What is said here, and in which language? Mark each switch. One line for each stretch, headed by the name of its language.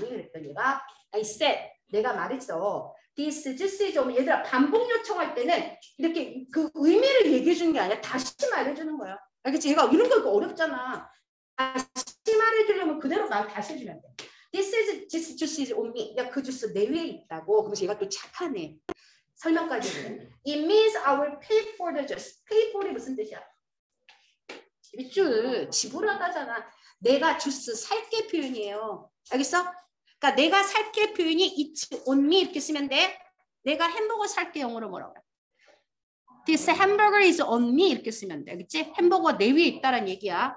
Korean: 그랬더니 얘가
English: I said,
Korean: 내가 말했어.
English: This juice is on.
Korean: 얘들아 반복 요청할 때는 이렇게 그 의미를 얘기해 주는 게 아니라 다시 말해주는 거야. 알겠지? 얘가 이런 거 어렵잖아. 다시 말해주려면 그대로 말 다시 해주면 돼.
English: This juice is on me.
Korean: 야, 그 주스 내 위에 있다고. 그래서 얘가 또 착하네. 설명까지.
English: It means I will pay for the juice.
Korean: Pay for이 무슨 뜻이야? 밑줄 지불하다잖아. 내가 주스 살게 표현이에요. 알겠어? 그러니까 내가 살게 표현이
English: it's on me
Korean: 이렇게 쓰면 돼. 내가 햄버거 살게 영어로 뭐라고 해?
English: This hamburger is on me
Korean: 이렇게 쓰면 돼. 그치? 햄버거 내 위에 있다라는 얘기야.